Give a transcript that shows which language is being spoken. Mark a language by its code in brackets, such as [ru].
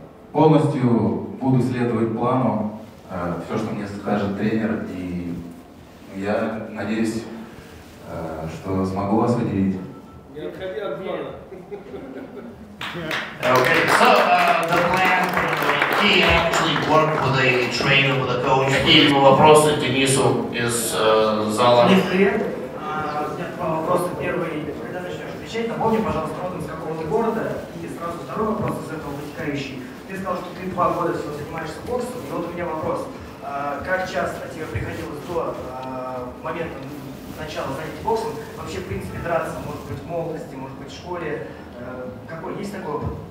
[ru] Полностью буду следовать плану, все, что мне скажет тренер. И я надеюсь, что смогу вас удивить. Не отходи от плана. [en] Okay, so the plan, he actually worked with a trainer, with a coach. [ru] Какие ему вопросы Денису из зала? Напомни, пожалуйста, родом из какого-то города, и сразу второй вопрос из этого вытекающий. Ты сказал, что ты два года всего занимаешься боксом, и вот у меня вопрос. как часто тебе приходилось до момента начала заняться боксом, вообще, в принципе, драться, может быть, в молодости, может быть, в школе, какой, есть такой опыт?